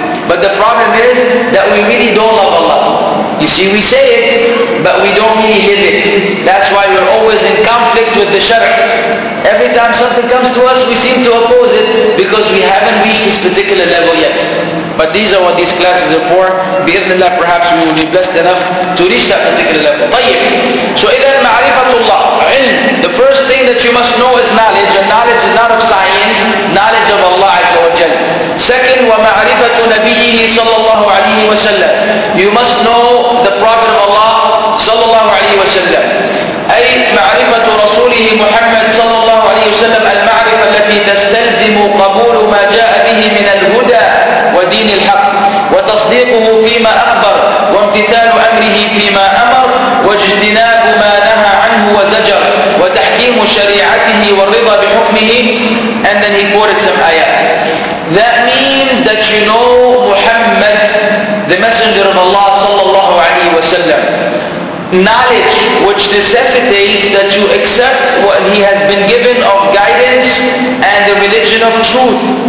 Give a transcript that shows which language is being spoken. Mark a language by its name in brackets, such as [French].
[English] But the problem is that we really don't love Allah. You see, we say it, but we don't really live it. That's why we're always in conflict with the shara. Every time something comes to us, we seem to oppose it because we haven't reached this particular level yet. But these are what these classes are for. Bi-ithnillah, perhaps we will be blessed enough to reach that particular level. [Arabic] طيب. So, إذن معرفةullah, علم. [English] The first thing that you must know is knowledge, and knowledge is not of science, knowledge of Allah Azza wa Jal. Second, [Arabic] ومعرفة نبيه صلى الله عليه وسلم. [English] You must know the Prophet of Allah صلى الله عليه وسلم. [Arabic] أي معرفة رسوله محمد صلى الله عليه وسلم المعرفة التي تستلزم قبول ما جاء به من الهدى ودين الحق وتصديقه فيما أخبر وامتثال أمره فيما أمر واجتناب ما نهى عنه وزجر وتحكيم شريعته والرضا بحكمه. [English] And then he quoted some ayat. That means that you know Muhammad, the Messenger of Allah sallallahu alayhi wa sallam. Knowledge which necessitates that you accept what he has been given of guidance and the religion of truth.